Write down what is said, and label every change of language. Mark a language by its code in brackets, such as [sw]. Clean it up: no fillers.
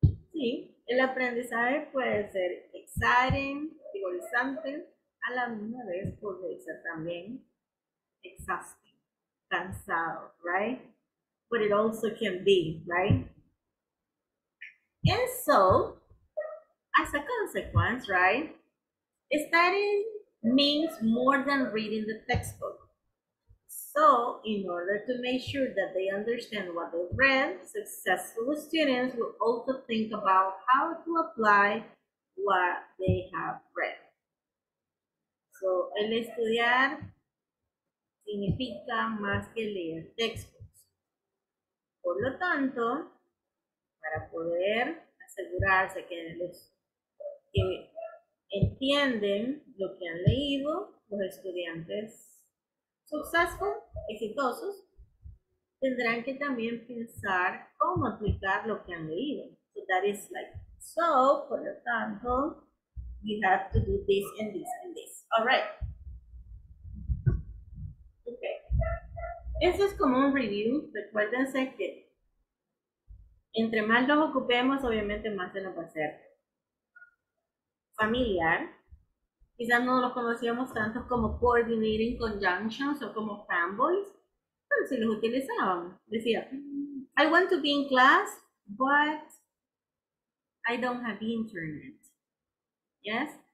[es] Sí, el aprendizaje puede ser exciting, vigorizante, a la misma vez puede ser también exhausting, cansado, right? [en] But it also can be, right? And so, as a consequence, right, studying means more than reading the textbook. So, in order to make sure that they understand what they read, successful students will also think about how to apply what they have read. [es] So, el estudiar significa más que leer textbooks. Por lo tanto, para poder asegurarse que los que entienden lo que han leído, los estudiantes successful, exitosos, tendrán que también pensar cómo aplicar lo que han leído. [en] So that is like, so, [es] por lo tanto, [en] you have to do this and this and this. All right. [es] Okay. Eso es como un review. Recuérdense que entre más nos ocupemos, obviamente más se nos va a hacer familiar. Quizás no los conocíamos tanto como coordinating conjunctions o como fanboys, pero sí los utilizaban. [en] Decía, I want to be in class, but I don't have internet. Yes?